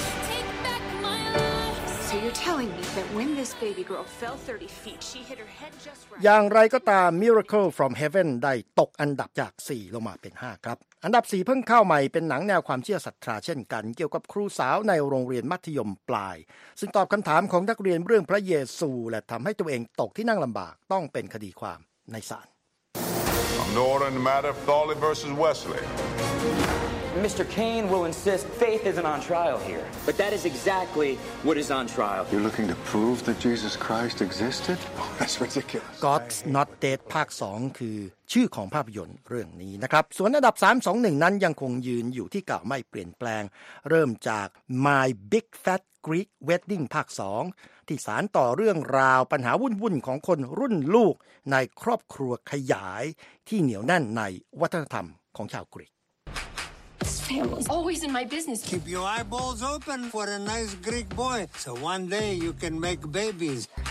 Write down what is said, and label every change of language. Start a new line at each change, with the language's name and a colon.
English: Take back my life. So you're telling me that when this baby girl fell 30 feet, she hit her head just right.
Thai: อย่างไรก็ตาม Miracle from Heaven ได้ตกอันดับจาก4ลงมาเป็น5ครับอันดับ4เพิ่งเข้าใหม่เป็นหนังแนวความเชื่อศรัทธาเช่นกันเกี่ยวกับครูสาวในโรงเรียนมัธยมปลายซึ่งตอบคำถามของนักเรียนเรื่องพระเยซูและทำให้ตัวเองตกที่นั่งลำบากต้องเป็นคดีความในศาล Norton Matter Thawley versus Wesley.
English: Mr. Kane will insist faith isn't on trial here, but that is exactly what is on trial. You're looking to prove that Jesus Christ existed? Oh, that's ridiculous.
Thai: God's Not Dead ภาค 2 คือชื่อของภาพยนตร์เรื่องนี้นะครับส่วนอันดับ3 2 1นั้นยังคงยืนอยู่ที่เก่าไม่เปลี่ยนแปลงเริ่มจาก My Big Fat Greek Wedding ภาค 2ที่สานต่อเรื่องราวปัญหาวุ่นๆของคนรุ่นลูกในครอบครัวขยายที่เหนียวแน่นในวัฒนธรรมของชาวกรีก
English: Family's always in my business. Keep your eyeballs open for a nice Greek boy, so one day you can make babies.